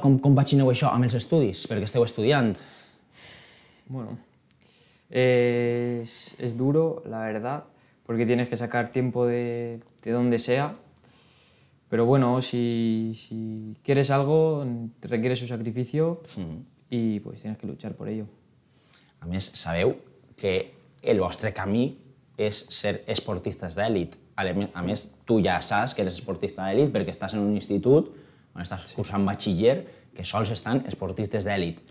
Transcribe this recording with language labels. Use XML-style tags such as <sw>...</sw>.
<ca>¿Cómo patineu això amb els estudis? Perquè esteu estudiant.</ca> <es>Bueno, es duro, la verdad, porque tienes que sacar tiempo de donde sea. Pero bueno, si quieres algo, requiere su sacrificio y pues tienes que luchar por ello.</es> <ca>A més, sabeu que el vostre camí és ser esportistes d'èlit. A més, tu ja saps que eres esportista d'èlit perquè estàs en un institut on estàs cursant batxiller, que sols estan esportistes d'èlit.</ca>